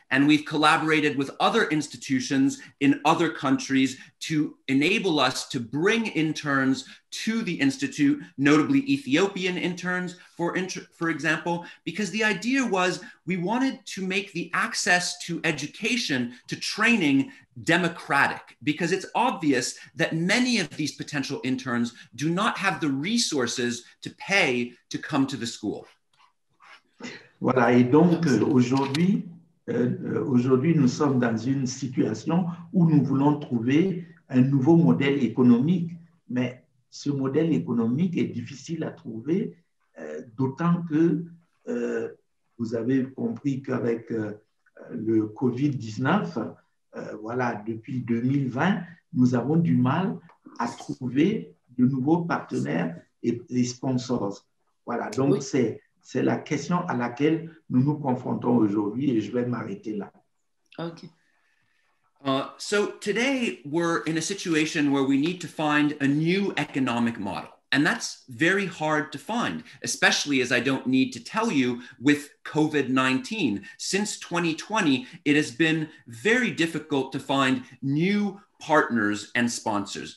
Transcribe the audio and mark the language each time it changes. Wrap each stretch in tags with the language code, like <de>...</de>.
<en>And we've collaborated with other institutions in other countries to enable us to bring interns to the Institute, notably Ethiopian interns, for example, because the idea was we wanted to make the access to education, to training, democratic, because it's obvious that many of these potential interns do not have the resources to pay to come to the school.</en> <fr>Voilà, et donc aujourd'hui, nous sommes dans une situation où nous voulons trouver un nouveau modèle économique. Mais ce modèle économique est difficile à trouver, d'autant que vous avez compris qu'avec le COVID-19, depuis 2020, nous avons du mal à trouver de nouveaux partenaires et des sponsors. Voilà, donc oui. C'est la question à laquelle nous nous confrontons aujourd'hui et je vais m'arrêter là.</fr> <en>OK. So today we're in a situation where we need to find a new economic model. And that's very hard to find, especially as I don't need to tell you with COVID-19. Since 2020, it has been very difficult to find new partners and sponsors.</en>